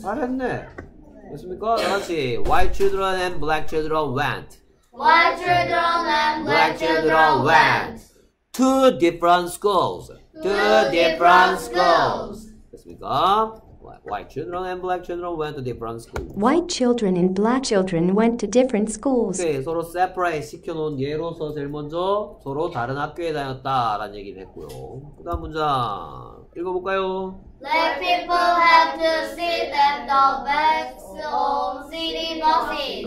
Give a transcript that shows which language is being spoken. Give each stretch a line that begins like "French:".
Korean: 잘했네. 됐습니까? 다시
English: White children and black children went. White children and black children went to different schools. To different schools.
Korean: 됐습니까?
English: White children and black children went to different schools. White children and black children went to different schools.
Korean: 오케이, 서로 separate 시켜놓은 예로서 제일 먼저 서로 다른 학교에 다녔다라는 얘기를 했고요. 그 다음 문장 읽어볼까요?
English: Black people have to sit at the backs of city buses.